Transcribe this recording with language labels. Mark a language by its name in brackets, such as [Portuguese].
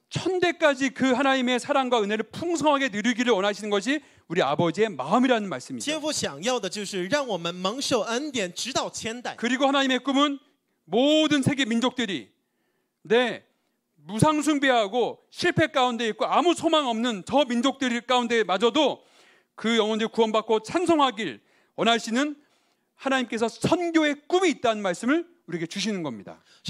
[Korean] 천대까지 그 하나님의 사랑과 은혜를 풍성하게 누리기를 원하시는 것이 우리 아버지의 마음이라는 말씀입니다. [Chinese] 天父想要的就是让我们蒙受恩典直到千代。 [Korean] 그리고 하나님의 꿈은 모든 세계 민족들이 내 무상숭배하고 실패 가운데 있고 아무 소망 없는 저 민족들 가운데 마저도 그 영혼들 구원받고 찬송하길 원하시는 하나님께서 선교의 꿈이 있다는 말씀을 우리에게 주시는 겁니다.